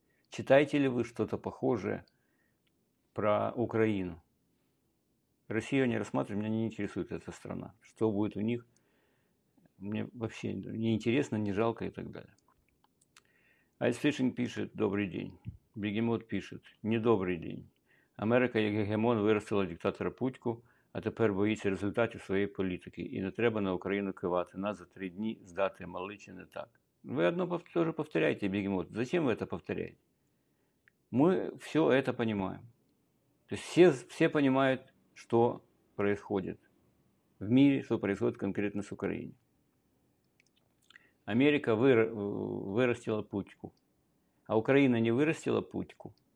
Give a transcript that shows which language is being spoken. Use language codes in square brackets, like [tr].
[ru] Читаете ли вы что-то похожее про Украину? Россию не рассматриваю, меня не интересует эта страна. Что будет у них, мне вообще не интересно, не жалко и так далее. Айс Фишинг пишет: добрый день. Бегемот пишет: недобрый день. [uk] Америка як гегемон виростила диктатора Путьку, а тепер боїться результатів своєї політики. І не треба на Україну кивати. Нас за 3 дні здати мали чи не так. Ви одно теж повторяєте, бегемот. [ru] Зачем [uk] ви це повторяєте? Ми все це розуміємо. Тобто всі розуміють, [ru] что происходит в мире, что происходит конкретно с Украиной. Америка вырастила Путьку, а Украина не вырастила Путьку.